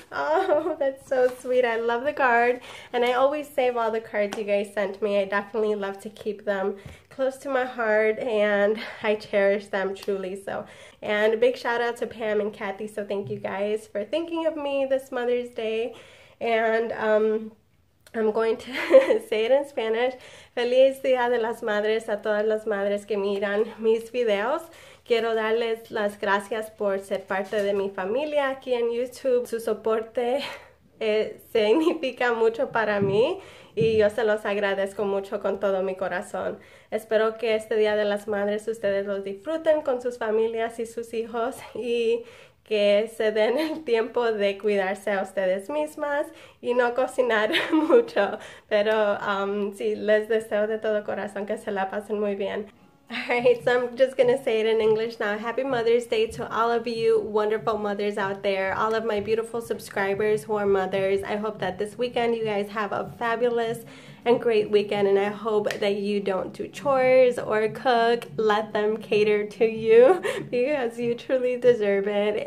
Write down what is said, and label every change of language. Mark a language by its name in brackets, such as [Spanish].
[English] Oh, that's so sweet. I love the card. And I always save all the cards you guys sent me. I definitely love to keep them close to my heart, and I cherish them truly. So, and a big shout out to Pam and Kathy. So thank you guys for thinking of me this Mother's Day. And I'm going to say it in Spanish. [Spanish] Feliz día de las madres a todas las madres que miran mis videos. Quiero darles las gracias por ser parte de mi familia aquí en YouTube. Su soporte significa mucho para mí y yo se los agradezco mucho con todo mi corazón. Espero que este día de las madres ustedes los disfruten con sus familias y sus hijos y que se den el tiempo de cuidarse a ustedes mismas y no cocinar mucho. Pero sí, les deseo de todo corazón que se la pasen muy bien. [English] All right, so I'm just gonna say it in English now. Happy Mother's Day to all of you wonderful mothers out there, all of my beautiful subscribers who are mothers. I hope that this weekend you guys have a fabulous and great weekend, and I hope that you don't do chores or cook. Let them cater to you because you truly deserve it.